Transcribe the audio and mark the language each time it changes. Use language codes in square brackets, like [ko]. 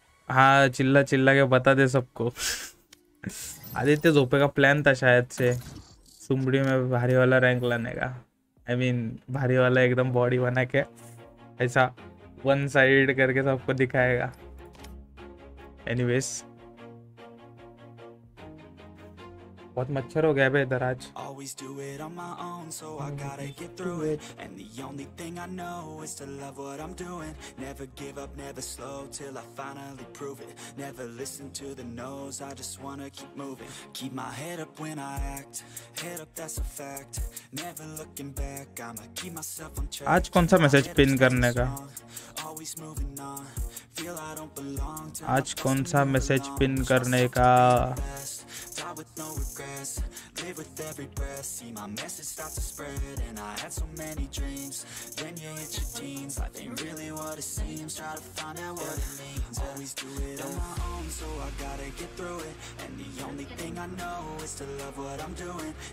[hi] हाँ, चिल्ला चिल्ला के बता दे सबको. आदित्य झोपे का प्लान था शायद से सुमड़ी में भारी वाला रैंक लाने का. आई मीन भारी वाला एकदम बॉडी बना के ऐसा वन साइड करके सबको दिखाएगा. एनीवेज, बहुत मच्छर हो गया बे इधर आज. [en] Always do it on my own, so I gotta get through it. And the only thing I know is to love what I'm doing. Never give up, never slow, till I finally prove it. Never listen to the no's, I just wanna keep moving. Keep my head up when I act, head up, that's a fact. Never looking back, I'ma keep myself on track. [hi] आज कौन सा message pin करने का? [en] Always moving on, feel I don't belong. [hi] आज कौन सा message pin करने का? [en] Die with no regrets, live with every breath. See my message start to spread, and I had so many dreams. Then you hit your teens, life ain't really what it seems. Try to find out what it means. Always do it on my own, so I gotta get through it. And the only thing I know is to love what I'm doing.